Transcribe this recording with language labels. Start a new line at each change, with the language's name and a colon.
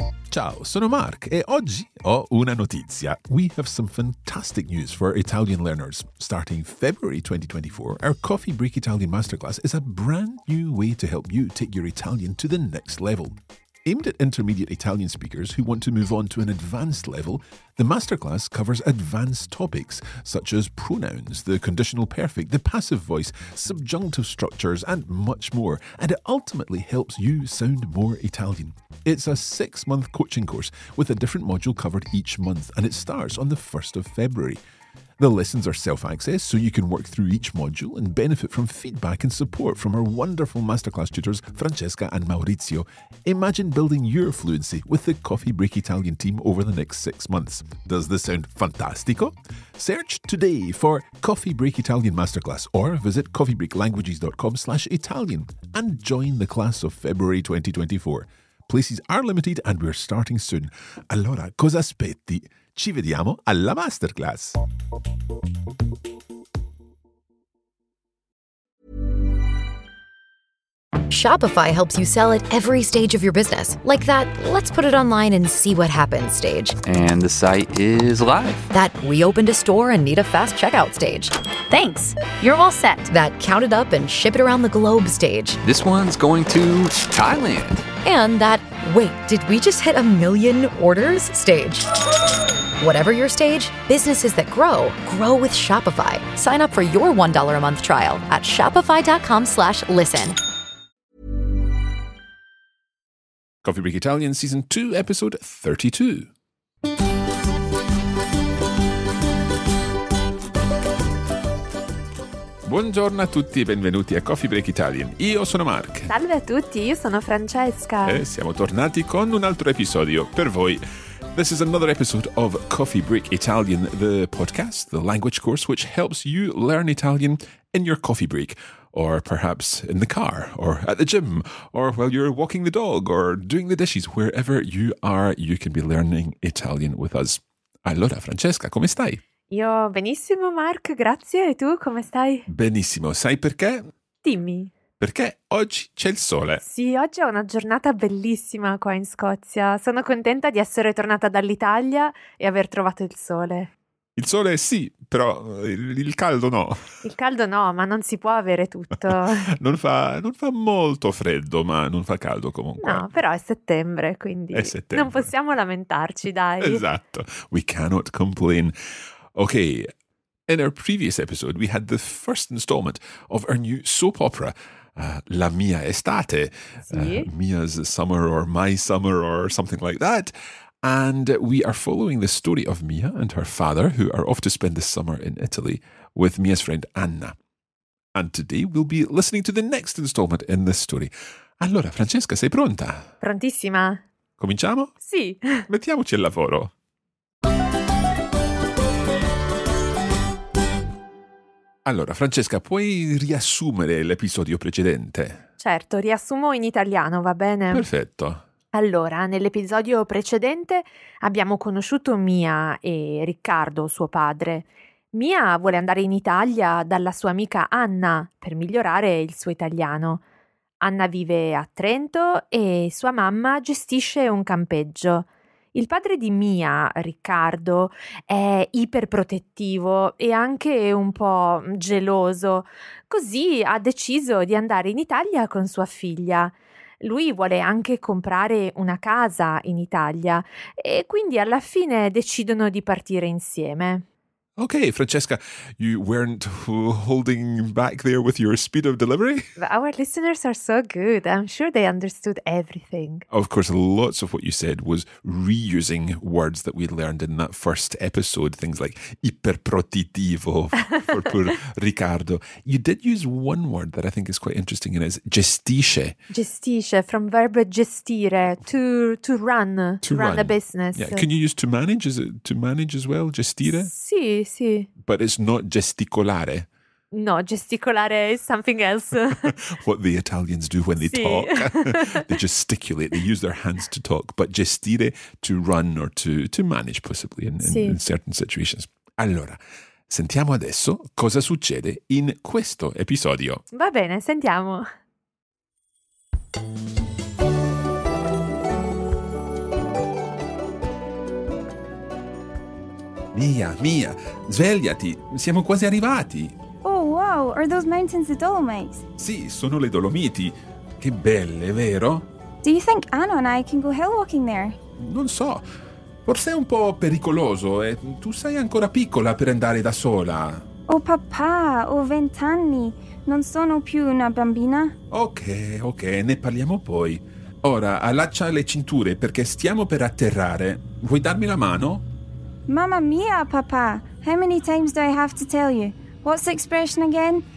Italian: Ciao, sono Mark e oggi ho una notizia.
English: We have some fantastic news for Italian learners. Starting February 2024, our Coffee Break Italian Masterclass is a brand new way to help you take your Italian to the next level. Aimed at intermediate Italian speakers who want to move on to an advanced level, the masterclass covers advanced topics such as pronouns, the conditional perfect, the passive voice, subjunctive structures, and much more, and it ultimately helps you sound more Italian. It's a six-month coaching course with a different module covered each month, and it starts on the 1st of February. The lessons are self-access, so you can work through each module and benefit from feedback and support from our wonderful masterclass tutors, Francesca and Maurizio. Imagine building your fluency with the Coffee Break Italian team over the next 6 months. Does this sound fantastico? Search today for Coffee Break Italian Masterclass or visit coffeebreaklanguages.com/Italian and join the class of February 2024. Places are limited and we're starting soon.
Italian: Allora, cosa aspetti? Ci vediamo alla masterclass.
English: Shopify helps you sell at every stage of your business. Like that, let's put it online and see what happens stage. And the site is live. That we opened a store and need a fast checkout stage. Thanks, you're all set. That count it up and ship it around the globe stage. This one's going to Thailand. And that, wait, did we just hit a million orders stage? Whatever your stage, businesses that grow, grow with Shopify. Sign up for your $1 a month trial at shopify.com/listen. Coffee Break Italian, Season 2, Episode 32.
Italian: Buongiorno a tutti e benvenuti a Coffee Break Italian. Io sono Mark. Salve a tutti, io sono Francesca. E siamo tornati con un altro episodio per voi.
English: This is another episode of Coffee Break Italian, the podcast, the language course, which helps you learn Italian in your coffee break, or perhaps in the car, or at the gym, or while you're walking the dog, or doing the dishes. Wherever you are, you can be learning Italian with us.
Italian: Allora, Francesca, come stai? Io benissimo, Mark, grazie. E tu, come stai? Benissimo. Sai perché? Dimmi. Perché oggi c'è il sole. Sì, oggi è una giornata bellissima qua in Scozia. Sono contenta di essere tornata dall'Italia e aver trovato il sole. Il sole sì, però il caldo no. Il caldo no, ma non si può avere tutto. non fa molto freddo, ma non fa caldo comunque. No, però è settembre, quindi è settembre. Non possiamo lamentarci, dai.
English: Esatto. We cannot complain. Ok. In our previous episode, we had the first installment of our new soap opera, La Mia Estate, Mia's Summer or My Summer or something like that. And we are following the story of Mia and her father, who are off to spend the summer in Italy with Mia's friend Anna. And today we'll be listening to the next installment in this story.
Italian: Allora, Francesca, sei pronta? Prontissima. Cominciamo? Sì. Mettiamoci al lavoro. Allora, Francesca, puoi riassumere l'episodio precedente? Certo, riassumo in italiano, va bene? Perfetto. Allora, nell'episodio precedente abbiamo conosciuto Mia e Riccardo, suo padre. Mia vuole andare in Italia dalla sua amica Anna per migliorare il suo italiano. Anna vive a Trento e sua mamma gestisce un campeggio. Il padre di Mia, Riccardo, è iperprotettivo e anche un po' geloso, così ha deciso di andare in Italia con sua figlia. Lui vuole anche comprare una casa in Italia e quindi alla fine decidono di partire insieme.
English: Ok, Francesca, you weren't holding back there with your speed of delivery? Our listeners are so good. I'm sure they understood everything. Of course, lots of what you said was reusing words that we learned in that first episode. Things like iperprotettivo for poor Riccardo. You did use one word that I think is quite interesting, and it's gestisce. Gestisce, from verb gestire, to run a business. Yeah. Can you use to manage? Is it to manage as well, gestire?
Italian: Sì. Sì.
English: But it's not gesticolare. No, gesticolare is something else. What the Italians do when they talk. They gesticulate, they use their hands to talk. But gestire, to run or to manage possibly in certain situations.
Italian: Allora, sentiamo adesso cosa succede in questo episodio. Va bene, sentiamo. Sentiamo. Mia, Mia, svegliati, siamo quasi arrivati.
English: Oh wow, are those mountains the Dolomites?
Italian: Sì, sono le Dolomiti. Che belle, vero?
English: Do you think Anna and I can go hill walking there?
Italian: Non so, forse è un po' pericoloso e tu sei ancora piccola per andare da sola. Oh papà, ho 20 anni, non sono più una bambina. Ok, ok, ne parliamo poi. Ora, allaccia le cinture perché stiamo per atterrare. Vuoi darmi la mano? Mamma mia, papà!
English: How many times do I have to tell you? What's the expression again?